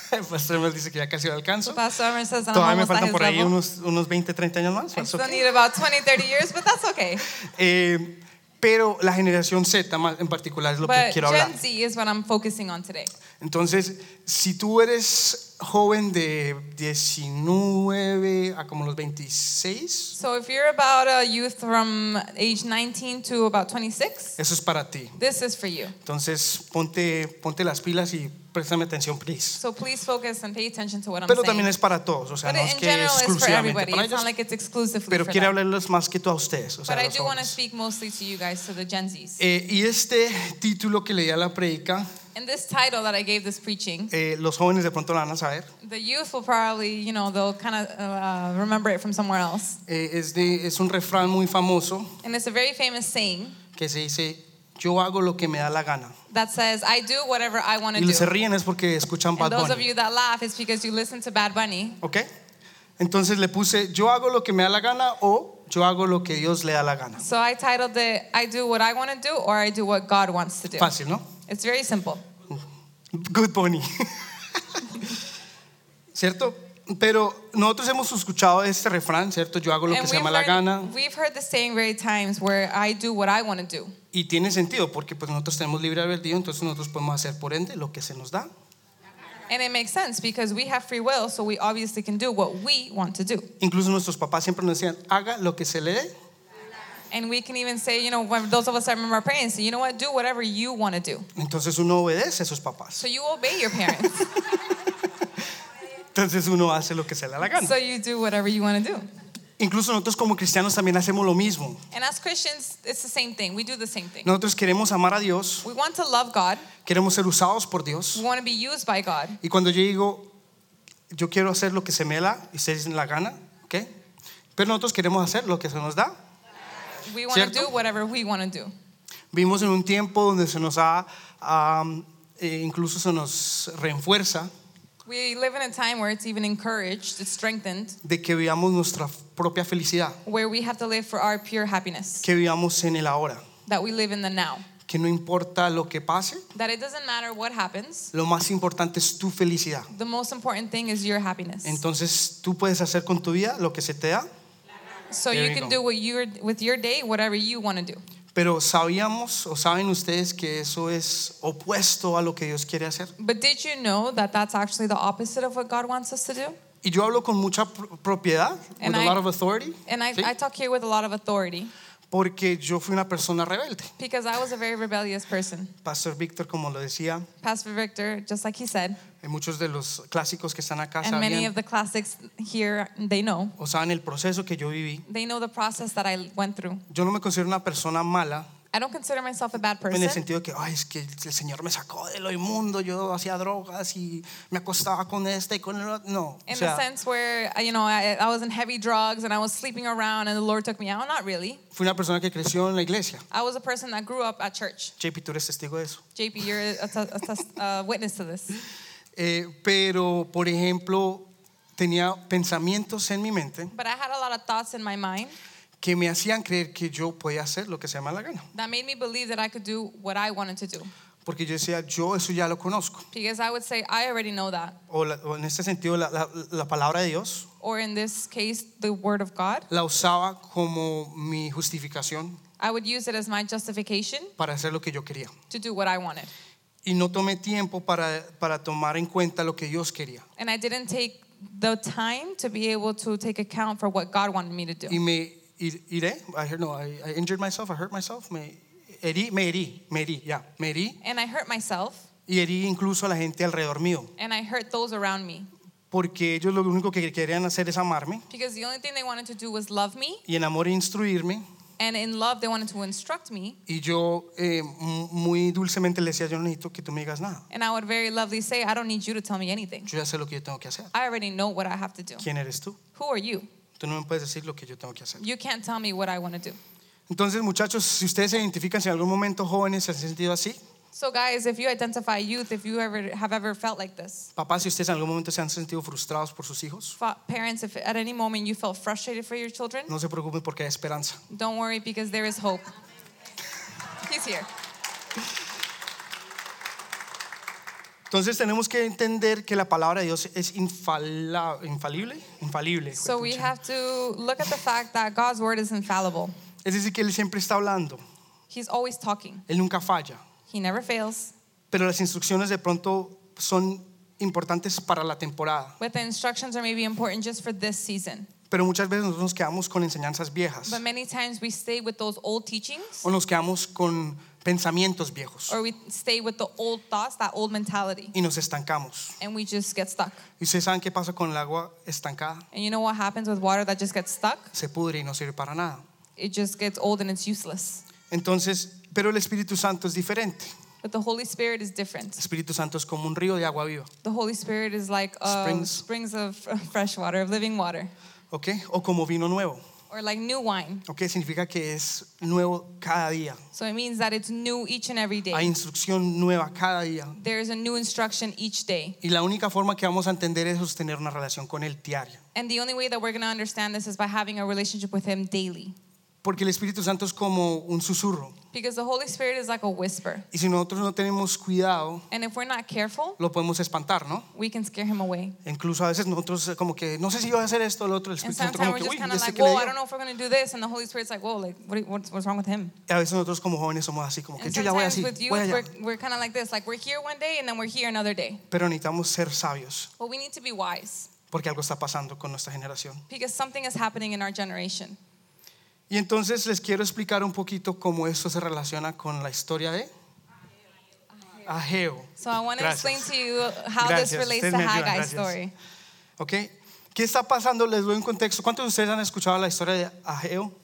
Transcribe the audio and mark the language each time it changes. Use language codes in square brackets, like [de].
[es] Pastor Emmer dice que ya casi lo alcanzo. Todavía me faltan por ahí unos 20, 30 años más. [en] I still need about 20, 30 years, but that's okay. [es] Pero la generación Z en particular es lo que quiero hablar. [en] But Gen Z is what I'm focusing on today. [es] Entonces, si tú eres joven de 19 a como los 26. [en] So if you're about a youth from age 19 to about 26. [es] Eso es para ti. [en] This is for you. [es] Entonces, ponte las pilas y préstame atención, please. [en] So please focus and pay attention to what I'm saying. [es] Pero también es para todos, o sea, [en] but [es] no es que exclusivamente para ellos. [en] It's not like it's exclusively [es] pero [en] for [es] quiero hablarles más que todo a ustedes, o sea, [en] but [es] a [en] I do want to speak mostly to you guys, to the Gen Zs. [es] Y este título que leía la predica. [en] And this title that I gave this preaching. [es] Los jóvenes de pronto lo van a saber. [en] The youth will probably, you know, they'll kind of remember it from somewhere else. [es] Es un refrán muy famoso. [en] And it's a very famous saying. [es] Que se dice, yo hago lo que me da la gana. [en] That says, I do whatever I want to do. [es] Y se ríen es porque escuchan [en] Bad Bunny. And those of you that laugh is because you listen to Bad Bunny. [es] Okay. Entonces le puse, yo hago lo que me da la gana o yo hago lo que Dios le da la gana. [en] So I titled it, I do what I want to do or I do what God wants to do. [es] Fácil, ¿no? [en] It's very simple. Good bunny. [es] ¿Cierto? Pero nosotros hemos escuchado este refrán, ¿cierto? Yo hago lo [en] and [es] que se llama la gana. [en] We've heard the saying very times where I do what I want to do. [es] Y tiene sentido porque pues nosotros tenemos libre albedrío, entonces nosotros podemos hacer por ende lo que se nos da. [en] And it makes sense because we have free will, so we obviously can do what we want to do. [es] Incluso nuestros papás siempre nos decían, haga lo que se le dé. [en] And we can even say, you know, when those of us that remember our parents, you know what, do whatever you want to do. [es] Entonces uno obedece a sus papás. [en] So you obey your parents. [es] Entonces uno hace lo que se le da la gana. [en] So you do whatever you want to do. [es] Incluso nosotros como cristianos también hacemos lo mismo. [en] And as Christians, it's the same thing. We do the same thing. [es] Nosotros queremos amar a Dios. [en] We want to love God. [es] Queremos ser usados por Dios. [en] We want to be used by God. [es] Y cuando yo digo, yo quiero hacer lo que se me da y se la gana, ¿okay? Pero nosotros queremos hacer lo que se nos da. [en] We want [es] ¿cierto? [en] To do whatever we want to do. [es] Vivimos en un tiempo donde se nos ha, incluso se nos refuerza. [en] We live in a time where it's even encouraged, it's strengthened. [es] De que vivamos nuestra propia felicidad. [en] Where we have to live for our pure happiness. [es] Que vivamos en el ahora. [en] That we live in the now. [es] que no importa lo que pase, [en] that it doesn't matter what happens, [es] lo más importante es tu felicidad. [en] The most important thing is your happiness. [es] Entonces, tú puedes hacer con tu vida lo que se te da. [en] So you can do what you're, with your day whatever you want to do. [es] Pero sabíamos o saben ustedes que eso es opuesto a lo que Dios quiere hacer. [en] But did you know that that's actually the opposite of what God wants us to do? [es] Y yo hablo con mucha propiedad, [en] with a lot of authority. And I talk here with a lot of authority. [es] Porque yo fui una persona rebelde. [en] Because I was a very rebellious person. [es] Pastor Victor, como lo decía. [en] Pastor Victor, just like he said. [es] Y muchos de los clásicos que están acá [en] and [es] sabían. [en] And many of the classics here, they know. [es] O saben el proceso que yo viví. [en] They know the process that I went through. [es] Yo no me considero una persona mala. [en] I don't consider myself a bad person. [es] En el sentido que, ay, es que el Señor me sacó de lo inmundo. Yo hacía drogas y me acostaba con este y con el otro. No. [en] In the sense where, you know, I was in heavy drugs and I was sleeping around and the Lord took me out. Not really. [es] Fui una persona que creció en la iglesia. [en] I was a person that grew up at church. [es] JP, tú eres testigo de eso. [en] JP, you're a witness to this. [es] Pero, por ejemplo, tenía pensamientos en mi mente. [en] But I had a lot of thoughts in my mind. [es] Que me hacían creer que yo podía hacer lo que se me da la gana. [en] That made me believe that I could do what I wanted to do. [es] Porque yo decía, yo eso ya lo conozco. [en] Because I would say, I already know that. [es] O en este sentido, la palabra de Dios. [en] Or in this case, the word of God. [es] La usaba como mi justificación. [en] I would use it as my justification. [es] Para hacer lo que yo quería. [en] To do what I wanted. [es] Y no tomé tiempo para tomar en cuenta lo que Dios quería. [en] And I didn't take the time to be able to take account for what God wanted me to do. [es] Y me iré. [en] I injured myself. I hurt myself. [es] Me herí. [en] And I hurt myself. [es] Y herí incluso a la gente alrededor mío. [en] And I hurt those around me. [es] Porque ellos lo único que querían hacer es amarme. [en] Because the only thing they wanted to do was love me. [es] Y en amor instruirme. [en] And in love they wanted to instruct me. [es] Y yo muy dulcemente le decía, yo no necesito que tú me digas nada. [en] And I would very lovely say, I don't need you to tell me anything. [es] Yo ya sé lo que yo tengo que hacer. [en] I already know what I have to do. [es] ¿Quién eres tú? [en] Who are you? [es] Tú no me puedes decir lo que yo tengo que hacer. [en] You can't tell me what I want to do. [es] Entonces, muchachos, si ustedes se identifican, si en algún momento jóvenes se han sentido así. [en] So guys, if you identify youth, if you ever have ever felt like this. [es] Papás, si ustedes en algún momento se han sentido frustrados por sus hijos. [en] Parents, if at any moment you felt frustrated for your children. [es] No se preocupen porque hay esperanza. [en] Don't worry because there is hope. He's here. [es] Entonces tenemos que entender que la palabra de Dios es infalible. [en] So we have to look at the fact that God's word is infallible. [es] Es decir que él siempre está hablando. [en] He's always talking. [es] Él nunca falla. [en] He never fails. [es] Pero las instrucciones de pronto son importantes para la temporada. [en] But the instructions are maybe important just for this season. [es] Pero muchas veces nosotros nos quedamos con enseñanzas viejas. [en] But many times we stay with those old teachings. [es] O nos quedamos con pensamientos viejos. [en] Or we stay with the old thoughts, that old mentality. [es] Y nos estancamos. [en] And we just get stuck. [es] ¿Y ustedes saben qué pasa con el agua estancada? [en] And you know what happens with water that just gets stuck? [es] Se pudre y no sirve para nada. [en] It just gets old and it's useless. [es] Entonces, pero el Espíritu Santo es diferente. [en] But the Holy Spirit is different. [es] El Espíritu Santo es como un río de agua viva. [en] The Holy Spirit is like springs of fresh water, of living water. [es] Okay, o como vino nuevo. [en] Or like new wine. [es] Okay, significa que es nuevo cada día. [en] So it means that it's new each and every day. [es] Hay instrucción nueva cada día. [en] There is a new instruction each day. [es] Y la única forma que vamos a entender eso es tener una relación con él diaria. [en] And the only way that we're going to understand this is by having a relationship with him daily. [es] Porque el Espíritu Santo es como un susurro. [en] Because the Holy Spirit is like a whisper. [es] Y si nosotros no tenemos cuidado, [en] and if we're not careful, [es] lo podemos espantar, ¿no? [en] We can scare him away. [es] Incluso a veces nosotros como que no sé si voy a hacer esto o lo otro. El Espíritu Santo como que, uy, ya sé que le digo. [en] I don't know if we're going to do this, and the Holy Spirit's like, whoa, like, what's wrong with him? [es] Y a veces nosotros como jóvenes somos así como que yo ya voy así, voy allá. [en] We're kind of like this, like we're here one day and then we're here another day. [es] Pero necesitamos ser sabios. [en] Well, we need to be wise. [es] Porque algo está pasando con nuestra generación. [en] Because something is happening in our generation. [es] Y entonces les quiero explicar un poquito cómo esto se relaciona con la historia de Ageo. [en] So I want to explain to you how this relates to Haggai's story. [es] Okay. ¿Qué está pasando? Les doy un contexto. ¿Cuántos de ustedes han escuchado la historia de Ageo?